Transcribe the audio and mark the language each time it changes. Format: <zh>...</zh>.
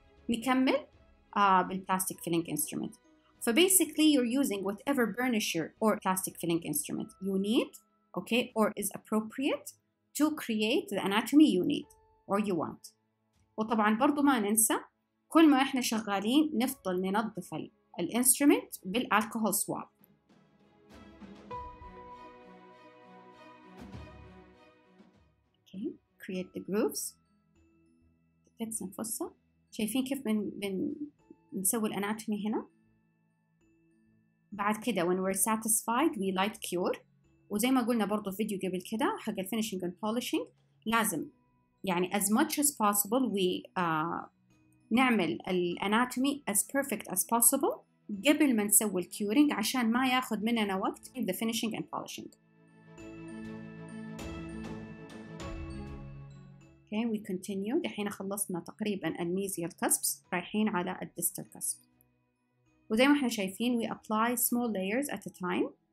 <ar>نكمل</ar> <en>بالplastic filling instrument. So basically you're using whatever burnisher or plastic filling instrument you need, okay, or is appropriate to create the anatomy you need or you want.</en> <ar>وطبعا برضو ما ننسى كل ما احنا شغالين نفضل ننظف الانسترومنت بالالكوهول سواب.</ar> <en>Create the grooves.</en> <ar>فتس نفسها. شايفين كيف بنسوي الاناتومي هنا؟ بعد كده</ar> <en>when we're satisfied we light cure.</en> <ar>وزي ما قلنا برضو في فيديو قبل كده حق الفينيشنج اند بولشنج لازم يعني</ar> <en>as much as possible we</en> <ar>نعمل الاناتومي</ar> <en>as perfect as possible</en> <ar>قبل ما نسوي الكيورينج عشان ما ياخذ مننا وقت</ar> <en>in the finishing and polishing. Okay, we continue.</en> <ar>دحين خلصنا تقريبا الميزيال كسبس رايحين على الديستال كسب. وزي ما احنا شايفين</ar> <en>we apply small layers at a time.</en>